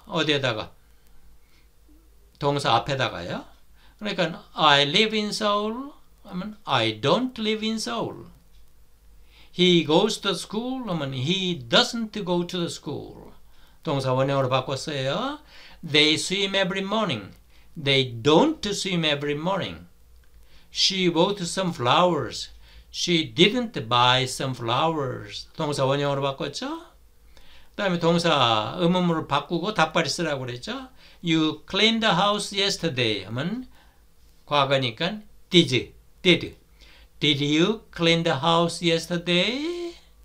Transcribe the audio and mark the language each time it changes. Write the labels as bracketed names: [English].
[Korean] 어디에다가? 동사 앞에다가요. 그러니까 [English] I live in Seoul. I don't live in Seoul. He goes to school. He doesn't go to the school. [Korean] 동사 원형으로 바꿨어요. [English] They swim every morning. They don't swim every morning. She bought some flowers. She didn't buy some flowers. [Korean] 동사 원형으로 바꿨죠. 그 다음에 동사 의문문으로 바꾸고 답발이 쓰라고 그랬죠. [English] You cleaned the house yesterday. [Korean] 하면 과거니까 did. [English] Did you clean the house yesterday?